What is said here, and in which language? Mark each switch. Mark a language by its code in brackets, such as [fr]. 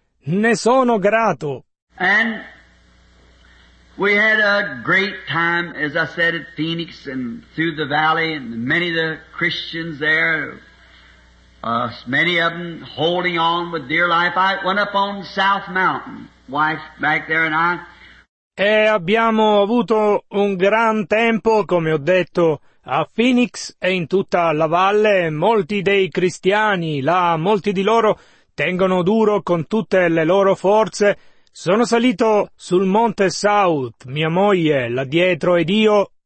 [it] Ne sono grato. [en] And we had a great time, as I said, at Phoenix and through the valley, and many of the Christians there, many of them holding on with dear life. I went up on South Mountain, wife back there and I. [it] E abbiamo avuto un gran tempo, come ho detto, a Phoenix e in tutta la valle. Molti dei cristiani là, molti di loro tengono duro con tutte le loro forze. Sono salito sul monte South, mia moglie là dietro ed io.